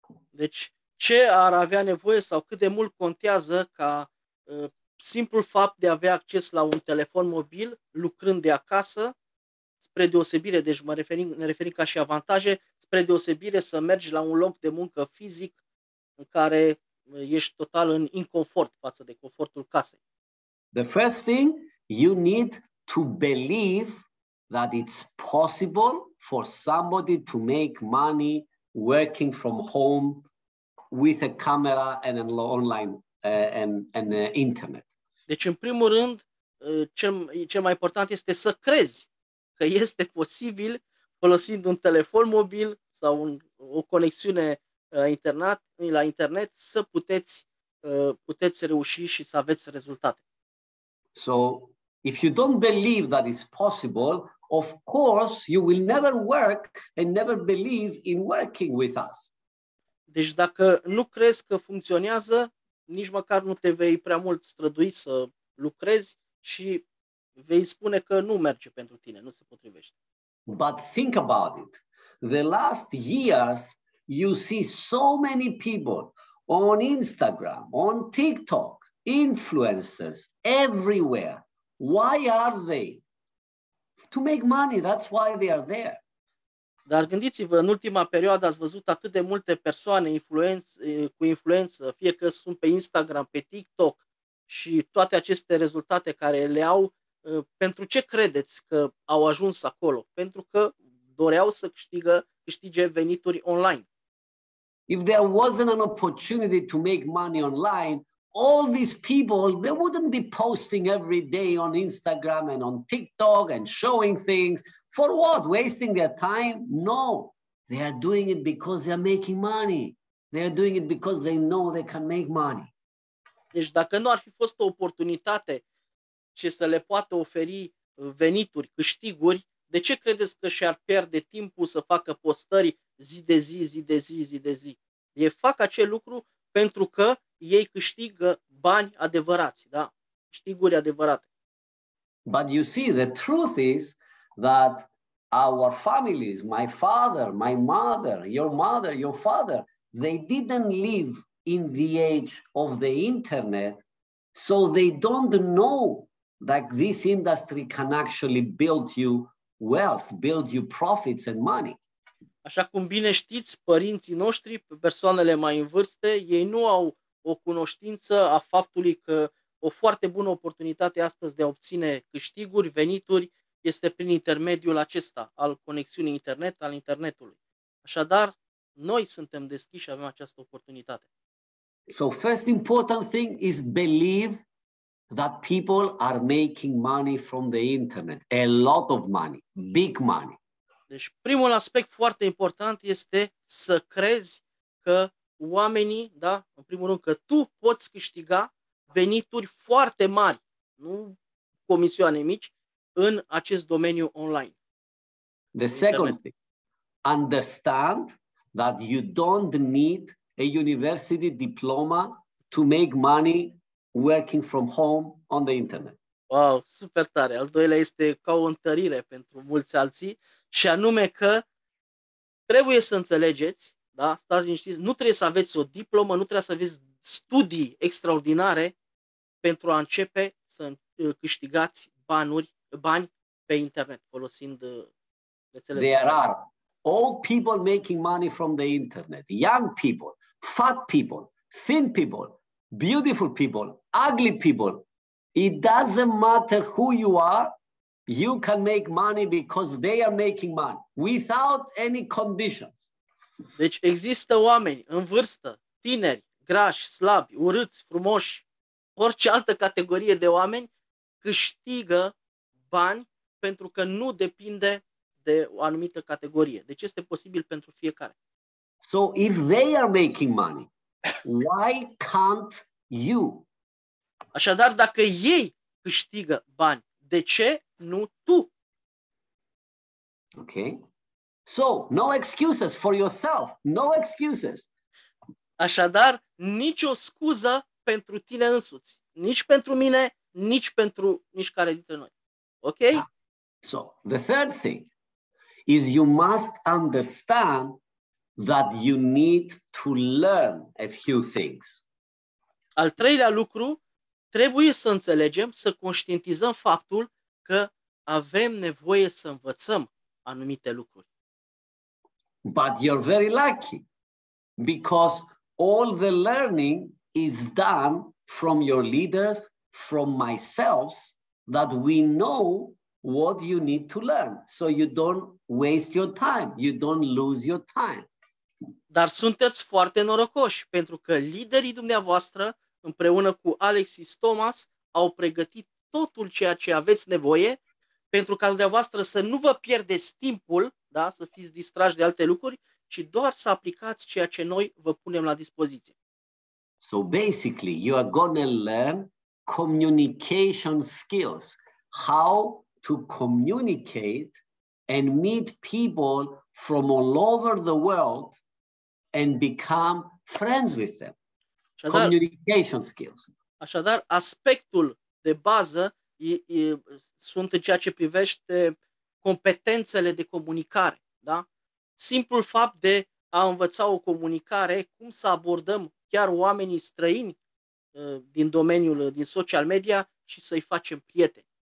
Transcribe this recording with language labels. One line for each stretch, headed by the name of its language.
Romanian: Deci, ce ar avea nevoie sau cât de mult contează ca simplul fapt de a avea acces la un telefon mobil lucrând de acasă, spre deosebire, deci ne referim ca și avantaje, spre deosebire să mergi la un loc de muncă fizic în care ești total în inconfort față de confortul casei.
English: The first thing, you need to believe that it's possible for somebody to make money working from home with a camera and an online and internet.
Romanian: Deci, în primul rând, cel mai important este să crezi că este posibil folosind un telefon mobil sau o conexiune la internet să puteți reuși și să aveți rezultate.
English: So, if you don't believe that it's possible, of course you will never work and never believe in working with us.
Romanian: Deci dacă nu crezi că funcționează, nici măcar nu te vei prea mult strădui să lucrezi și vei spune că nu merge pentru tine, nu se potrivește.
English: But think about it. The last years, you see so many people on Instagram, on TikTok, influencers, everywhere. Why are they? To make money, that's why they are there.
Romanian: Dar gândiți-vă, în ultima perioadă ați văzut atât de multe persoane cu influență, fie că sunt pe Instagram, pe TikTok și toate aceste rezultate care le au, pentru ce credeți că au ajuns acolo? Pentru că doreau să câștige venituri online.
English: If there wasn't an opportunity to make money online, all these people, they wouldn't be posting every day on Instagram and on TikTok and showing things. For what? Wasting their time? No. They are doing it because they are making money. They are doing it because they know they can make money.
Romanian: Deci dacă nu ar fi fost o oportunitate ce să le poată oferi venituri, câștiguri, de ce credeți că și-ar pierde timpul să facă postări zi de zi, zi de zi, zi de zi? Ei fac acel lucru pentru că ei câștigă bani adevărați, da? Câștiguri adevărate.
English: But you see, the truth is that our families, my father, my mother, your father, they didn't live in the age of the internet, so they don't know that this industry can actually build you wealth, build you profits and money.
Romanian: Așa cum bine știți, părinții noștri, persoanele mai în vârstă, ei nu au o cunoștință a faptului că o foarte bună oportunitate astăzi de a obține câștiguri, venituri, este prin intermediul acesta al conexiunii internet, al internetului. Așadar, noi suntem deschiși și avem această oportunitate.
English: So first important thing is believe that people are making money from the internet. A lot of money, big money.
Romanian: Deci primul aspect foarte important este să crezi că oamenii, da, în primul rând că tu poți câștiga venituri foarte mari, nu comisioane mici, în acest domeniu online.
English: The second thing, understand that you don't need a university diploma to make money working from home on the internet.
Romanian: Wow, super tare. Al doilea este ca o întărire pentru mulți alții, și anume că trebuie să înțelegeți, da, stați liniștiți, nu trebuie să aveți o diplomă, nu trebuie să aveți studii extraordinare pentru a începe să câștigați bani pe internet folosind rețelele.
English: There are old people making money from the internet, young people, fat people, thin people, beautiful people, ugly people. It doesn't matter who you are, You can make money because they are making money without any conditions.
Romanian: Deci există oameni în vârstă, tineri, grași, slabi, urâți, frumoși, orice altă categorie de oameni câștigă bani pentru că nu depinde de o anumită categorie. Deci este posibil pentru fiecare.
English: So if they are making money, why can't you?
Romanian: Așadar, dacă ei câștigă bani, de ce nu tu?
English: Okay. So, no excuses for yourself. No excuses.
Romanian: Așadar, nicio scuză pentru tine însuți. Nici pentru mine, nici pentru nicicare dintre noi.
English: Okay? So, the third thing is you must understand that you need to learn a few things.
Romanian: Al treilea lucru, trebuie să înțelegem, să conștientizăm faptul că avem nevoie să învățăm anumite lucruri.
English: But you're very lucky because all the learning is done from your leaders, from myself, that we know what you need to learn. So you don't waste your time, you don't lose your time.
Romanian: Dar sunteți foarte norocoși pentru că liderii dumneavoastră împreună cu Alex și Thomas au pregătit totul ceea ce aveți nevoie pentru ca dumneavoastră să nu vă pierdeți timpul, da, să fiți distrași de alte lucruri, ci doar să aplicați ceea ce noi vă punem la dispoziție.
English: So basically, you are going to learn communication skills, how to communicate and meet people from all over the world and become friends with them.
Romanian: Așadar,
English: communication skills.
Romanian: Așadar, aspectul de bază sunt în ceea ce privește competențele de comunicare, da? Simplul fapt de a învăța o comunicare, cum să abordăm chiar oamenii străini din domeniul, din social media și să-i facem prieteni.